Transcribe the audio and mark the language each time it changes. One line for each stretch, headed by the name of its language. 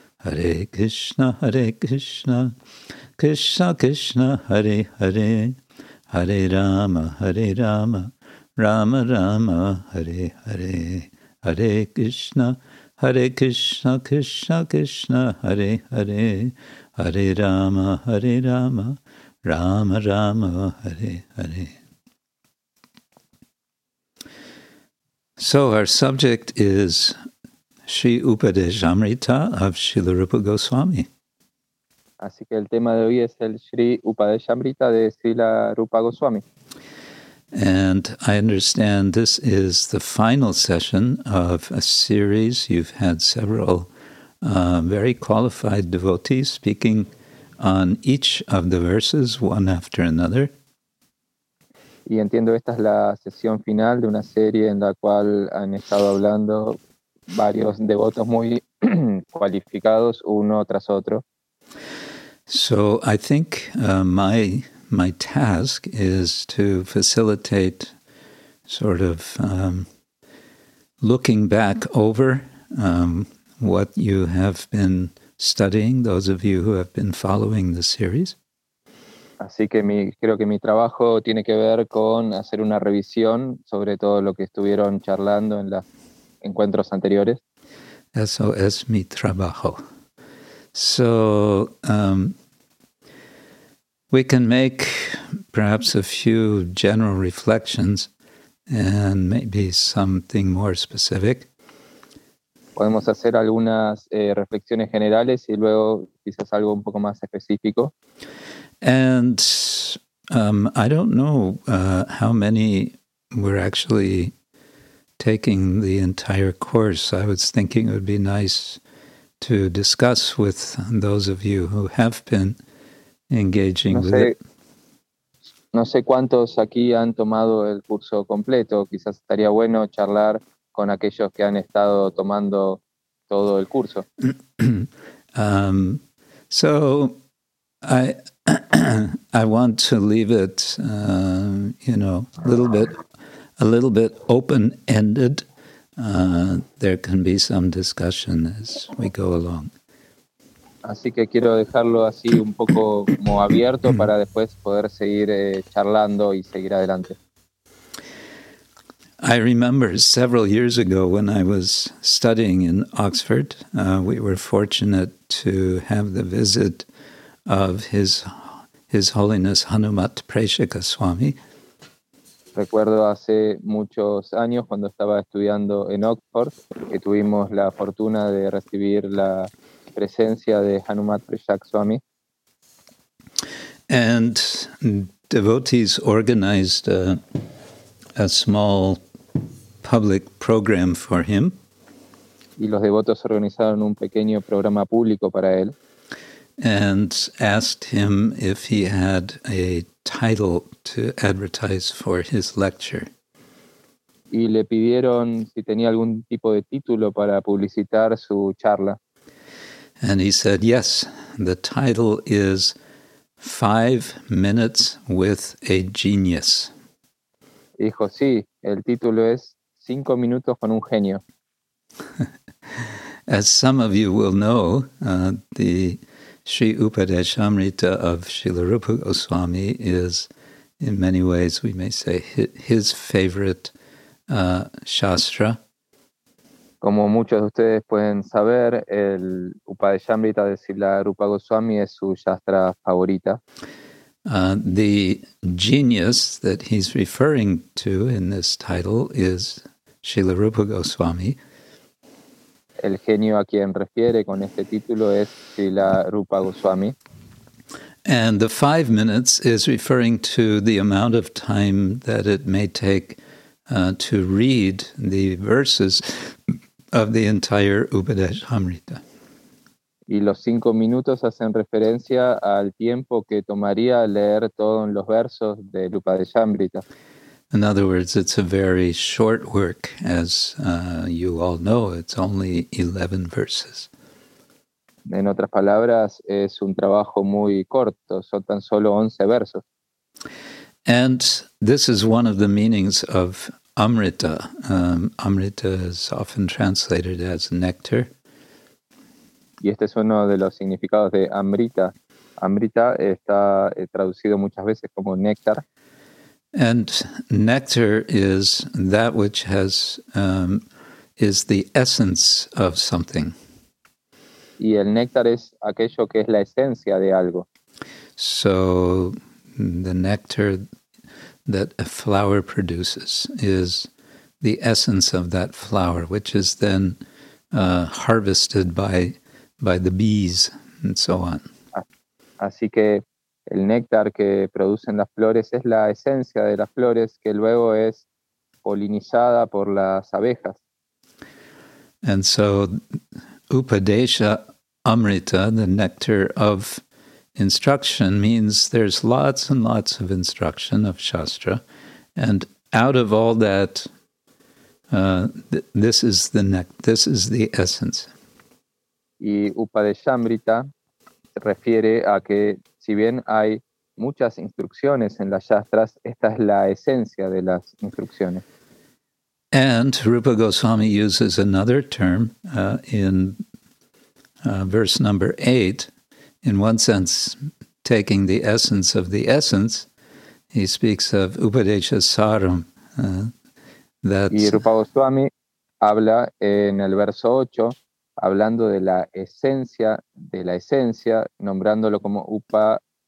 Sanskrit: Hare Krishna Hare Krishna Krishna Krishna Hare Hare Hare Rama Hare Rama Rama Rama Hare Hare Hare Krishna Hare Krishna, Krishna, Krishna, Hare Hare, Hare Rama, Hare Rama, Rama Rama, Hare Hare.
English: So our subject is Sri Upadeshamrita of Srila Rupa Goswami.
Spanish: Así que el tema de hoy es el Sri Upadeshamrita de Srila Rupa Goswami.
English: And I understand this is the final session of a series. You've had several very qualified devotees speaking on each of the verses, one after another.
Spanish: Y entiendo esta es la sesión final de una serie en la cual han estado hablando varios devotos muy cualificados, uno tras otro.
English: So I think my task is to facilitate sort of looking back over what you have been studying, those of you who have been following the series.
Spanish: Así que creo que mi trabajo tiene que ver con hacer una revisión sobre todo lo que estuvieron charlando en los encuentros anteriores. Eso es mi trabajo.
English: So, we can make perhaps a few general reflections and maybe something more specific.
Spanish: Podemos hacer algunas reflexiones generales y luego quizás algo un poco más específico.
English: And I don't know how many were actually taking the entire course. I was thinking it would be nice to discuss with those of you who have been engaging with it.
Spanish: No sé cuántos aquí han tomado el curso completo. Quizás estaría bueno charlar con aquellos que han estado tomando todo el curso.
English: So I want to leave it, you know, a little bit open-ended. There can be some discussion as we go along.
Spanish: Así que quiero dejarlo así un poco como abierto para después poder seguir charlando y seguir adelante.
English: I remember several years ago when I was studying in Oxford, we were fortunate to have the visit of His Holiness Hanumat Preshika Swami.
Spanish: Recuerdo hace muchos años cuando estaba estudiando en Oxford que tuvimos la fortuna de recibir la presencia de Hanumat Preshika Swami.
English: And devotees organized a small public program for him.
Spanish: Y los devotos organizaron un pequeño programa público para él.
English: And asked him if he had a title to advertise for his lecture.
Spanish: Y le pidieron si tenía algún tipo de título para publicitar su charla.
English: And he said, yes, the title is 5 Minutes with a Genius.
Spanish: Dijo, sí, el título es 5 Minutos con un Genio.
English: As some of you will know, the Sri Upadeshamrita of Srila Rupa Goswami is, in many ways, we may say, his favorite shastra.
Spanish: Como muchos de ustedes pueden saber, el Upadeshamrita de Srila Rupa Goswami es su shastra favorita.
English: The genius that he's referring to in this title is Srila Rupa Goswami.
Spanish: El genio a quien refiere con este título es Srila Rupa Goswami.
English: And the 5 minutes is referring to the amount of time that it may take to read the verses of the entire Upadeshamrita.
Spanish: Y los 5 minutos hacen referencia al tiempo que tomaría leer todos los versos del Upadeshamrita.
English: In other words, it's a very short work, as you all know. It's only 11 verses.
Spanish: En otras palabras, es un trabajo muy corto. Son tan solo 11 versos.
English: And this is one of the meanings of Amrita. Amrita is often translated as nectar.
Spanish: Y este es uno de los significados de Amrita. Amrita está traducido muchas veces como néctar.
English: And nectar is that which has is the essence of something.
Spanish: Y el néctar es aquello que es la esencia de algo.
English: So the nectar that a flower produces is the essence of that flower, which is then harvested by the bees and so on.
Spanish: Así que el néctar que producen las flores es la esencia de las flores que luego es polinizada por las abejas.
English: And so Upadesha Amrita, the nectar of instruction, means there's lots and lots of instruction of Shastra. And out of all that, this is the essence.
Spanish: Y Upadesha Amrita refiere a que si bien hay muchas instrucciones en las shastras, esta es la esencia de las instrucciones.
English: And Rupa Goswami uses another term in verse number 8. In one sense, taking the essence of the essence, he speaks of Upadesha Saram.
Spanish: Y Rupa Goswami habla en el verso 8, hablando de la esencia de la esencia, nombrándolo como Upa.